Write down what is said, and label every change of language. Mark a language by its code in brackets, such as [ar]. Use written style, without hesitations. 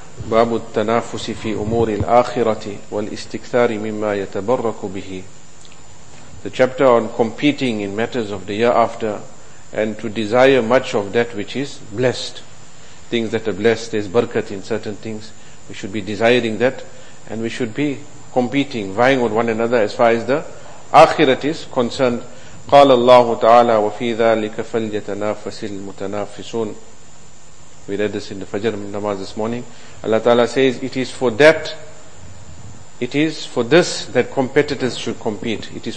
[ar] Babu التنافس في أمور الآخرة والاستكثار مما يتبرك به. [en] The chapter on competing in matters of the year after and to desire much of that which is blessed. Things that are blessed, there's barakat in certain things. We should be desiring that and we should be competing, vying with one another as far as the akhirat is concerned. [ar] قال الله تعالى وفي ذلك فليتنافس المتنافسون. [en] We read this in the Fajr namaz this morning. Allah Ta'ala says, it is for this that competitors should compete.